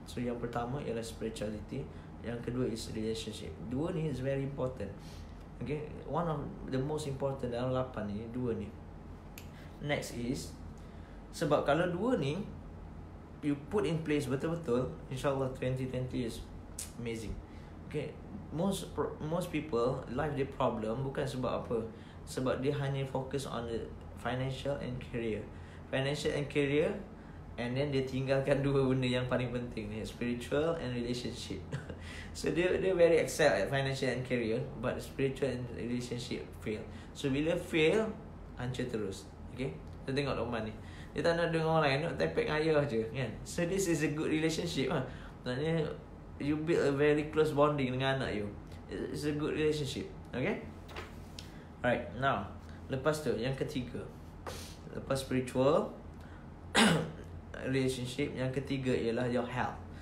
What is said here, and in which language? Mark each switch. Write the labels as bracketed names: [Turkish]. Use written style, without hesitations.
[Malay] So yang pertama ialah spirituality, yang kedua is relationship. Dua ni [English] is very important. Okay, one of the most important [Malay] dalam 8 ni, dua ni. [English] Next is, [Malay] sebab kalau dua ni [English] you put in place betul-betul, insyaAllah 2020 is amazing. Okay, most people life dia problem bukan sebab apa, sebab [Malay] dia hanya [English] focus on the financial and career. Financial and career, and then [Malay] dia tinggalkan dua benda yang paling penting ni, [English] spiritual and relationship. [Malay] So dia [English] very excel at financial and career, but spiritual and relationship fail. [Malay] So bila fail, hancur terus. Okay, kita tengok Luqman ni. Dia tak nak dengan orang lain, nak tepek dengan ayah je kan? [English] So this is a good relationship [Malay] lah. [English] Maksudnya you build a very close bonding [Malay] dengan anak you. [English] It's a good relationship. Okay. [Malay] Alright, now lepas tu, yang ketiga, lepas spiritual relationship, yang ketiga ialah [English] your health.